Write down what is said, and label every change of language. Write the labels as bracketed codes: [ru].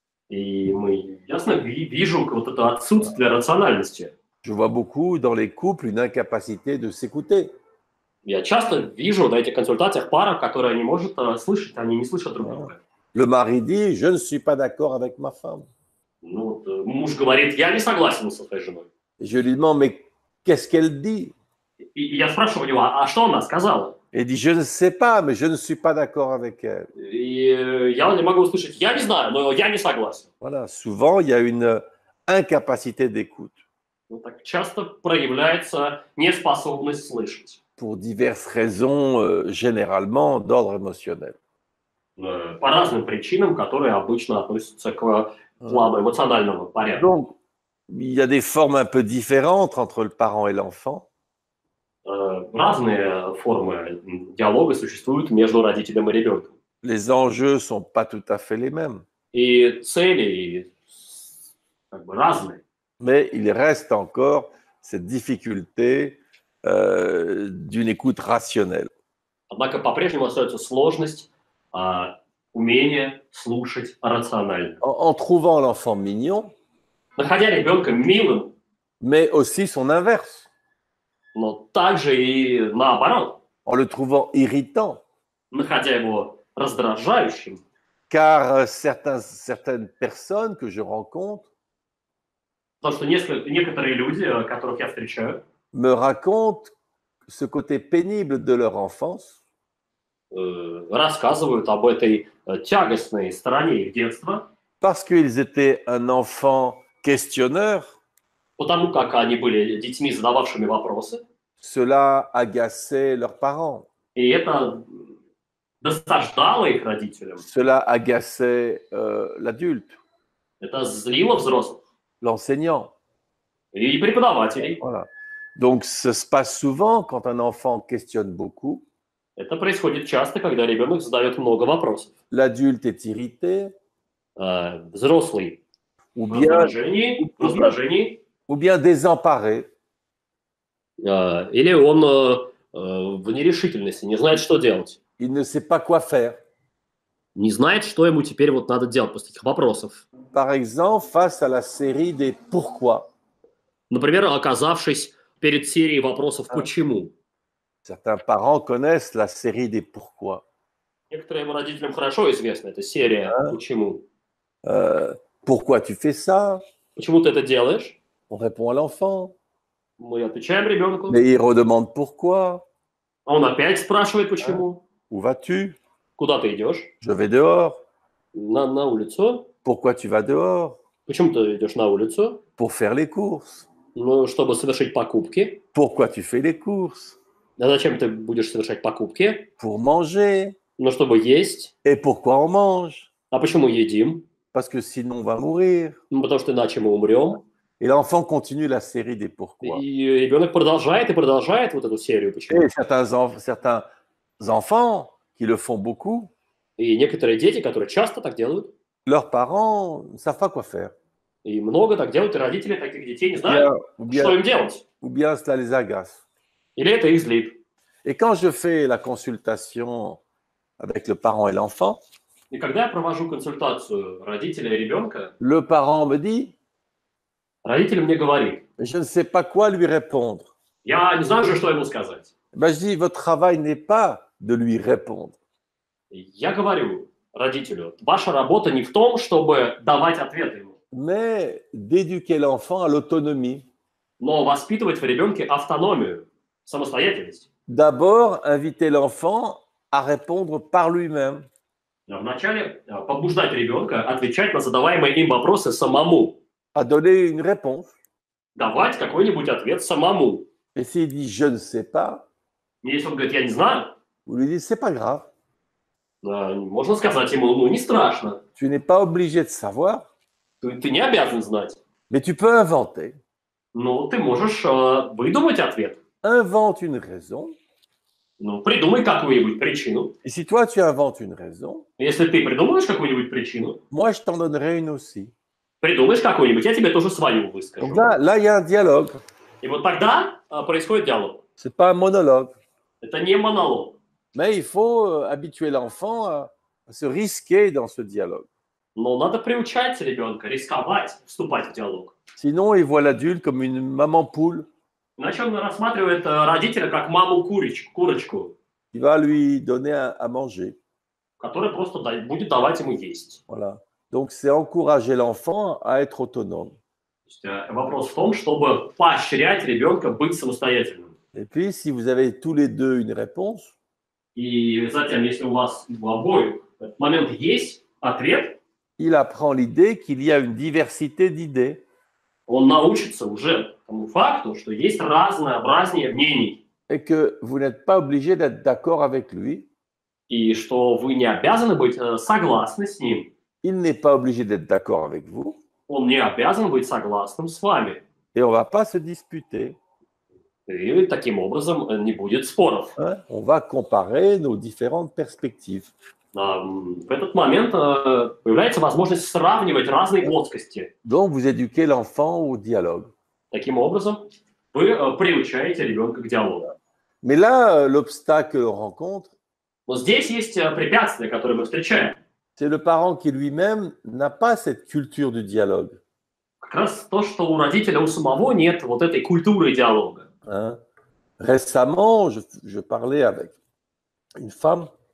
[ru] И мы ясно вижу вот это отсутствие рациональности. [fr] Je vois beaucoup dans les couples une incapacité de s'écouter. [ru] Я часто вижу на этих консультациях пара, которая не может слышать, они не слышат друг друга. [fr] Le mari dit, je ne suis pas d'accord avec ma femme. [ru] Ну, муж говорит, я не согласен со своей женой. [fr] Je lui demande, mais qu'est-ce qu'elle dit? [ru] И я спрашиваю у него, а что она сказала? [fr] Il dit, je ne sais pas, mais je ne suis pas d'accord avec elle. [ru] Я не могу услышать. Я не знаю, но я не согласен. [fr] Voilà, souvent il y a une incapacité d'écoute. [ru] Вот так часто проявляется неспособность слышать. [fr] Pour diverses raisons, généralement d'ordre émotionnel. [ru] По разным причинам, которые обычно относятся к плану эмоционального порядка. [fr] Donc, il y a des formes un peu différentes entre le parent et l'enfant. [ru] Разные формы диалога существуют между родителем и ребенком. [fr] Les enjeux sont pas tout à fait les mêmes. [ru] И цели как бы разные. [fr] Mais il reste encore cette difficulté d'une écoute rationnelle. [ru] Однако по-прежнему остается сложность умение слушать рационально. [fr] En trouvant l'enfant mignon, [ru] находя ребенка милым, [fr] mais aussi son inverse. [ru] Но также и наоборот. [fr] En le trouvant irritant. [ru] Находя его раздражающим. [fr] Car certaines personnes que je rencontre. [ru] Потому что некоторые люди, которых я встречаю. [fr] Me racontent ce côté pénible de leur enfance. [ru] Рассказывают об этой тягостной стороне их детства. [fr] Parce qu'ils étaient un enfant questionneur. [ru] Потому как они были детьми, задававшими вопросы. [fr] Cela agaçait leurs parents. [ru] И это досаждало их родителям. [fr] Cela agaçait l'adulte. [ru] Это злило взрослых. [fr] L'enseignant. [ru] И преподавателей. [fr] Voilà. Donc, ça se passe souvent quand un enfant questionne beaucoup. [ru] Это происходит часто, когда ребенок задает много вопросов. [fr] L'adulte est irrité. [ru] Взрослый. [fr] Ou bien... [ru] Раздражение. [fr] Ou bien désemparé. [ru] Или он в нерешительности, не знает, что делать. [fr] Il ne sait pas quoi faire. [ru] Не знает, что ему теперь вот надо делать после этих вопросов. [fr] Par exemple, face à la série des pourquoi. [ru] Например, оказавшись перед серией вопросов почему. [fr] Certains parents connaissent la série des pourquoi. [ru] Некоторым родителям хорошо известна эта серия почему. [fr] Pourquoi tu fais ça? [ru] Почему ты это делаешь? [fr] On répond à l'enfant. [ru] Мы отвечаем ребенку. [fr] Mais il redemande pourquoi. [ru] Он опять спрашивает почему. [fr] Où vas-tu? [ru] Куда ты идешь? [fr] Je vais dehors. [ru] На улицу. [fr] Pourquoi tu vas dehors? [ru] Почему ты идешь на улицу? [fr] Pour faire les courses. [ru] Ну, чтобы совершить покупки. [fr] Pourquoi tu fais les courses? [ru] А зачем ты будешь совершать покупки? [fr] Pour manger. [ru] Ну, чтобы есть. [fr] Et pourquoi on mange? [ru] А почему едим? [fr] Parce que sinon on va mourir. [ru] Ну, потому что иначе мы умрем. [fr] Et l'enfant continue la série des pourquoi. [ru] И ребенок продолжает и продолжает вот эту серию почему. [fr] Et certains enfants qui le font beaucoup. [ru] И некоторые дети, которые часто так делают. [fr] Leurs parents ne savent pas quoi faire. [ru] И много так делают, и родители таких детей не знают, что им делать. [fr] Ou bien cela les agace. [ru] Или это их злит. [fr] Et quand je fais la consultation avec le parent et l'enfant. [ru] И когда я провожу консультацию родителя и ребенка. [fr] Le parent me dit. [ru] Родитель мне говорит. [fr] Je ne sais pas quoi lui répondre. [ru] Я не знаю же, что ему сказать. [fr] Ben, je dis, votre travail n'est pas de lui répondre. [ru] Я говорю родителю, ваша работа не в том, чтобы давать ответ ему. [fr] Mais d'éduquer l'enfant à l'autonomie. [ru] Но воспитывать в ребенке автономию, самостоятельность. [fr] D'abord, inviter l'enfant à répondre par lui-même. [ru] Но вначале побуждать ребенка отвечать на задаваемые им вопросы самому. [fr] À donner une réponse. [ru] Давать какой-нибудь ответ самому. [fr] Et s'il dit je ne sais pas. Mais [ru] если он говорит я не знаю. [fr] Vous lui dites c'est pas grave. [ru] Можно сказать ему ну не страшно. [fr] Tu n'es pas obligé de savoir. [ru] Ты не обязан знать. [fr] Mais tu peux inventer. [ru] Ну ты можешь выдумать ответ. [fr] Invente une raison. [ru] Ну придумай какую-нибудь причину. [fr] Et si toi tu inventes une raison. [ru] Если ты придумаешь какую-нибудь причину. [fr] Moi je t'en donnerai une aussi. [ru] Придумаешь какую-нибудь, я тебе тоже свою выскажу. Да, [fr] là il y a un dialogue. [ru] И вот тогда происходит диалог. [fr] C'est pas un monologue. [ru] Это не монолог. [fr] Mais il faut habituer l'enfant à se risquer dans ce dialogue. [ru] Но надо приучать ребенка рисковать, вступать в диалог. [fr] Sinon, il voit l'adulte comme une maman poule. [ru] Иначе он рассматривает родителя как маму курочку. [fr] Il va lui donner à manger. [ru] Которая просто будет давать ему есть. [fr] Voilà. Donc, c'est encourager l'enfant à être autonome. [ru] Вопрос в том, чтобы поощрять ребенка быть самостоятельным. [fr] Et puis, si vous avez tous les deux une réponse, et [ru] затем, если у вас в обоих моментах есть ответ, [fr] il apprend l'idée qu'il y a une diversité d'idées. [ru] Он научится уже тому факту, что есть разнообразие мнений. [fr] Et que vous n'êtes pas obligé d'être d'accord avec lui. [ru] И что вы не обязаны быть согласны с ним. [fr] Il n'est pas obligé d'être d'accord avec vous. [ru] Он не обязан быть согласным с вами. [fr] Et on va pas se disputer. Et [ru] таким образом не будет споров. [fr] Hein? On va comparer nos différentes perspectives. [ru] В этот момент появляется возможность сравнивать разные плоскости. [fr] Donc vous éduquez l'enfant au dialogue. [ru] Таким образом вы приучаете ребенка к диалогу. [fr] Mais là l'obstacle qu'on rencontre. [ru] Но здесь есть препятствие, которое мы встречаем. [fr] C'est le parent qui lui-même n'a pas cette culture du dialogue. [ru] Как раз то, что у родителя у самого нет вот этой культуры диалога. [fr] Hein? Récemment, je parlais avec une femme.